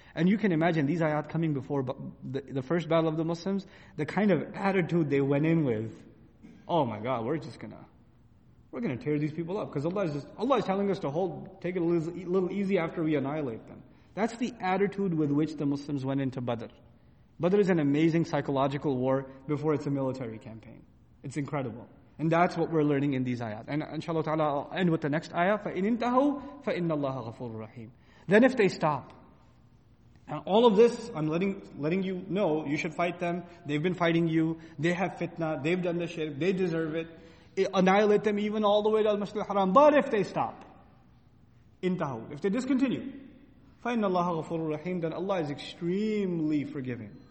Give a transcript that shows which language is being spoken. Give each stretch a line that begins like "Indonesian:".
English: And you can imagine these ayat coming before the first battle of the Muslims, the kind of attitude they went in with, oh my God, we're gonna tear these people up. Because Allah is telling us to take it a little easy after we annihilate them. That's the attitude with which the Muslims went into Badr. Badr is an amazing psychological war before it's a military campaign. It's incredible. And that's what we're learning in these ayat. And inshallah ta'ala, I'll end with the next ayah.
Arabic: فَإِنْ إِنْتَهُوا فَإِنَّ اللَّهَ غَفُورٌ رَحِيمٌ
English: Then if they stop. And all of this, I'm letting you know, you should fight them. They've been fighting you. They have fitna. They've done the shirk. They deserve it. Annihilate them even all the way to Al-Masjid Al-Haram. But if they stop. إِنْتَهُوا If they discontinue.
Arabic: فَإِنَّ اللَّهَ غَفُورٌ رَحِيمٌ
English: Then Allah is extremely forgiving.